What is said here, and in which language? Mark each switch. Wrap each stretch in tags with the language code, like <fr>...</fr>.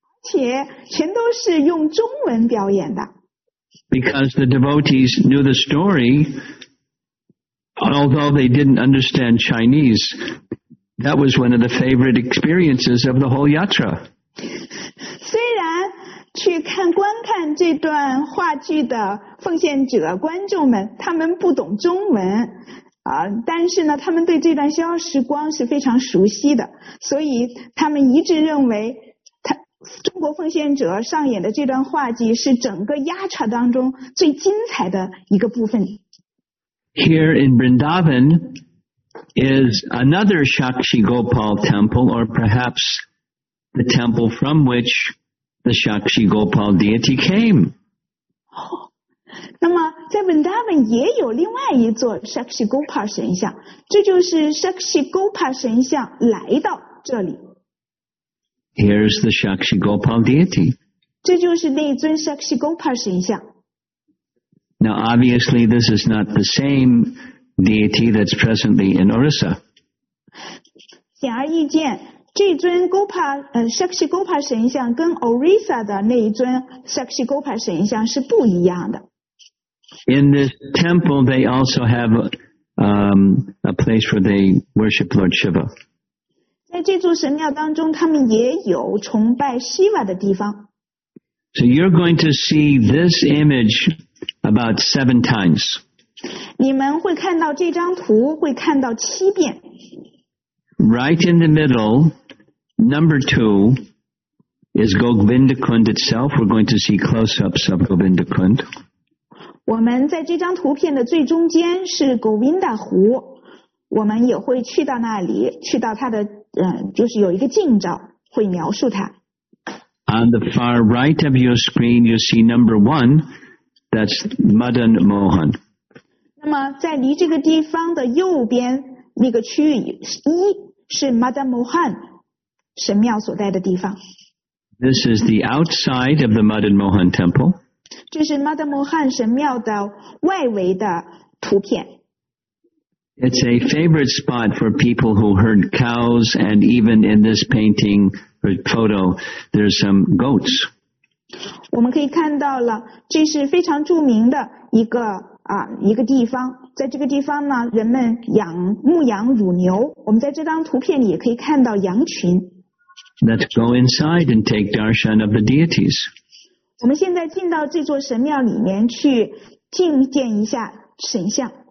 <zh>且全都是用中文表演的。</zh> <en>Because the devotees knew the story, although they didn't understand Chinese, that was one of the favorite experiences of the whole yatra.</en> <zh>虽然去看观看这段话剧的奉献者观众们，他们不懂中文。但是呢，他们对这段逍遥时光是非常熟悉的，所以他们一致认为中国奉献者上演的这段话剧是整个压茶当中最精彩的一个部分。</zh> <en>Here in Vrindavan is another Shakshigopal temple, or perhaps the temple from which the Shakshigopal deity came.</en> <zh>那么在 Vrindavan 也有另外一座 Shakshigopal 神像，这就是 Shakshigopal 神像来到这里。</zh> <en>Here's the Shakshigopal deity.</en> <zh>这就是那尊 Shakshigopal 神像。</zh> <en>Now, obviously, this is not the same deity that's presently in Orissa.</en> <zh>显而易见，这尊 Shakshigopal 神像跟 Orissa 的那一尊 Shakshigopal 神像是不一样的。</zh> <en>In this temple, they also have a place where they worship Lord Shiva.</en> <zh>在这座神庙当中，他们也有崇拜 Shiva 的地方。</zh> <en>So you're going to see this image about seven times.</en> <zh>你们会看到这张图，会看到七遍。</zh> <en>Right in the middle, number two, is Govindakund itself. We're going to see close-ups of Govindakund.</en> <zh>我们在这张图片的最中间是 Govinda 湖。我们也会去到那里，去到它的就是有一个近照会描述它。</zh> <en>On the far right of your screen, you see number one, that's Madan Mohan.</en> <zh>那么在离这个地方的右边那个区域一是 Madan Mohan 神庙所在的地方。</zh> <en>This is the outside of the Madan Mohan temple.</en> <zh>这是 Madan Mohan 神庙的外围的图片。</zh> <en>It's a favorite spot for people who herd cows, and even in this painting or photo, there's some goats.</en> <zh>我们可以看到了，这是非常著名的一个啊一个地方，在这个地方呢，人们养牧羊乳牛。我们在这张图片里也可以看到羊群。</zh> <en>Let's go inside and take darshan of the deities.</en> <zh>我们现在进到这座神庙里面去觐见一下神像。</zh>